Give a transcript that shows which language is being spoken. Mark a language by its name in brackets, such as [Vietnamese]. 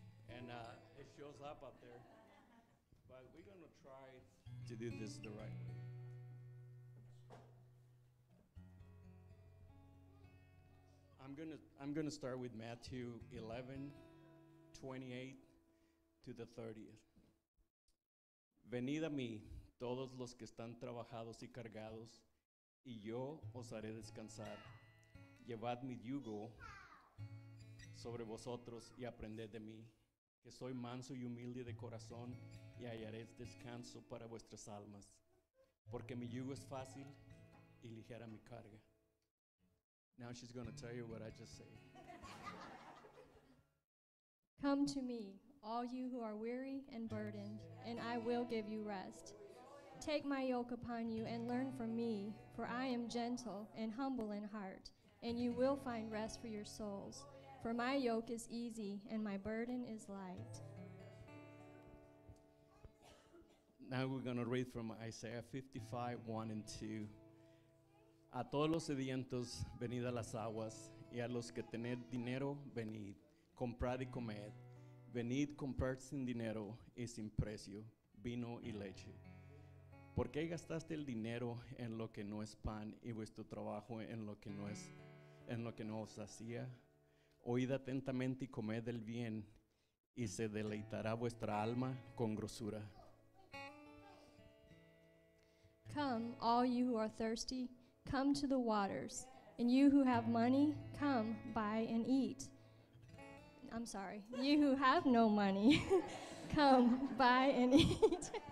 [English] And it shows up out there. But we're going to try to do this the right way. I'm gonna start with Matthew 11, 28 to the 30th. [Spanish] Venid a mí, todos los que están trabajados y cargados, y yo os haré descansar. Llevad mi yugo sobre vosotros y aprended de mí, que soy manso y humilde de corazón, y hallaréis descanso para vuestras almas, porque mi yugo es fácil y ligera mi carga. [English] Now she's going to tell you what I just said. Come to me, all you who are weary and burdened, and I will give you rest. Take my yoke upon you and learn from me, for I am gentle and humble in heart, and you will find rest for your souls. For my yoke is easy and my burden is light. Now we're going to read from Isaiah 55, 1 and 2. [Spanish] A todos los sedientos, venid a las aguas, y a los que tened dinero, venid, comprad y comed. Venid, comprad sin dinero y sin precio, vino y leche. ¿Por qué gastaste el dinero en lo que no es pan, y vuestro trabajo en lo que no es, en lo que no os hacía? Oíd atentamente y comed el bien, y se deleitará vuestra alma con grosura. [English] Come, all you who are thirsty, come to the waters, and you who have money, come, buy and eat. I'm sorry, you who have no money, come, buy and eat.